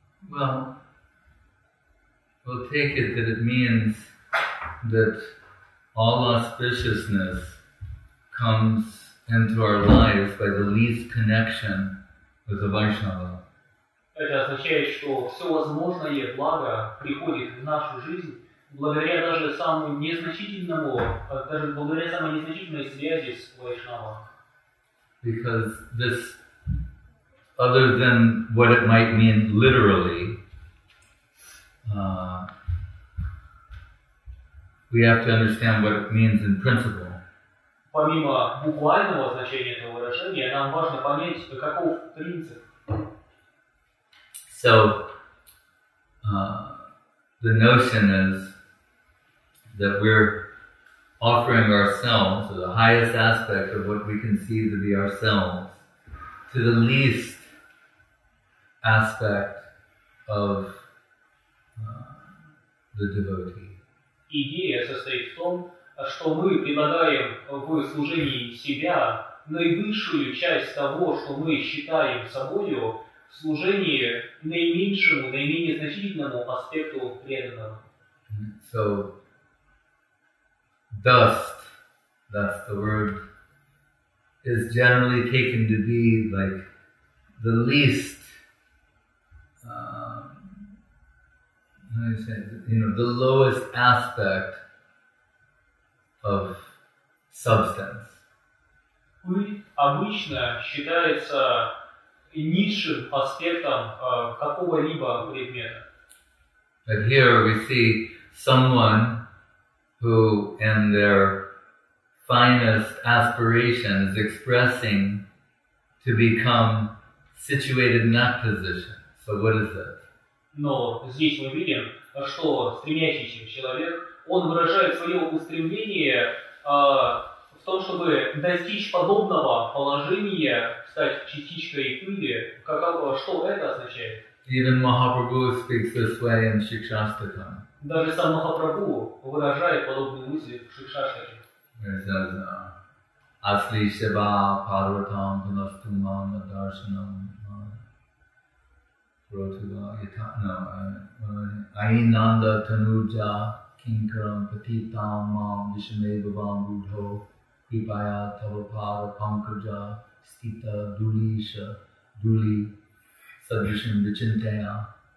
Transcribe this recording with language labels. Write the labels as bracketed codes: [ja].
[en] Well, we'll take it that it means that all auspiciousness comes into our lives by the least connection with the Vaishnava. [ru] Это означает, что все возможное благо приходит в нашу жизнь благодаря даже самому незначительному, даже благодаря самой незначительной связи с Вайшнавом. [en] Because this, other than what it might mean literally, we have to understand what it means in principle. [ru] Помимо буквального значения этого выражения, нам важно понять, каков принцип. [en] So, the notion is that we're offering ourselves, or the highest aspect of what we conceive to be ourselves, to the least aspect of the devotee. [ru] Идея состоит в том, что мы предлагаем в служении себя наивысшую часть того, что мы считаем собою, в служении наименьшему, наименее значительному аспекту преданного. [en] So, dust, that's the word, is generally taken to be like the least, how do you say, you know, the lowest aspect of substance. [ru] Пыль обычно считается низшим аспектом какого-либо предмета. [en] But here we see someone who in their finest aspiration is expressing to become situated in that position. So what is it? [ru] Но здесь мы видим, что стремящийся человек, он выражает свое устремление в том, чтобы достичь подобного положения, стать частичкой пыли. Что это означает? [en] Even Mahaprabhu speaks this way in Shikshastakam. [ru] Даже сам Махапрабху выражает подобные мысли в Шикшаштаке. Асли Шиба Парватам Панастумам Адаршанам Пратива Итанам Айнанда Тануджа Кинкарам Патитам Мам Вишамебабам Будхо Крипая Тавапара Панкаджа Стита Дулиша Дули Садришам Вичинтая.